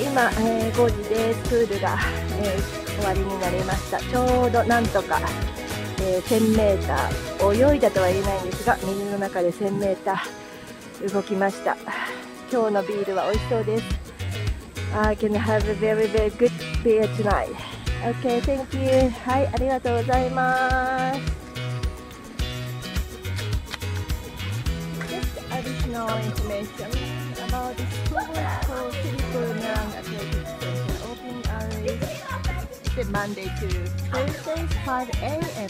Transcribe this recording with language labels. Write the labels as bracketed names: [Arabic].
[Japanese] 5時です。プールが、終わりになりました。ちょうどなんとか、1000m 泳いだとは言えないんですが、水の中で 1000m 動きました。今日のビールは美味しそうです。 [English] I can have a very very good beer tonight. Okay, thank you. [Japanese] はい、ありがとうございます。 [English] Just additional information about this tourist called Tiripunang Aquatic Station. Open hours Monday to Thursday 5 a.m.